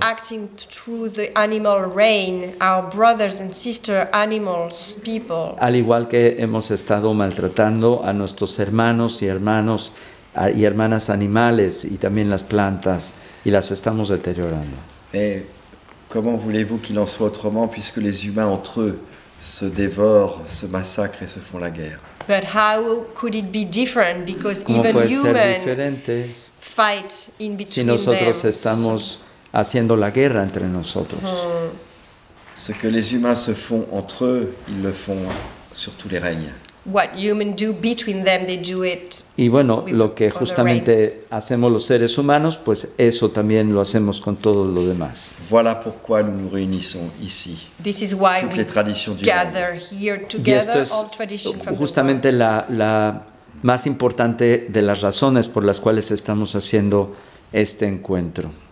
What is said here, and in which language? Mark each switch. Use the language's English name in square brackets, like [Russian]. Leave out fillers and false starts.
[English] Acting through the animal reign, our brothers and sisters, animals, people. [Spanish] Al igual que hemos estado maltratando a nuestros hermanos y hermanas animales y también las plantas y las estamos deteriorando. [French] Et comment voulez-vous qu'il en soit autrement puisque les humains entre eux se dévorent, se massacrent et se font la guerre? [English] But how could it be different? Because even humans fight in between [Spanish] si nosotros [English] them. [Spanish] Estamos haciendo la guerra entre nosotros. [French] Ce que les humains se font entre eux, ils le font sur tous les règnes. [English] what humans do between them, they do it. [Spanish] Y bueno, lo que justamente hacemos los seres humanos, pues eso también lo hacemos con todo lo demás. [French] Voilà pourquoi nous nous réunissons ici. [English] This is why we gather here together, all traditions from the world. [Spanish] Justamente la más importante de las razones por las cuales estamos haciendo este encuentro.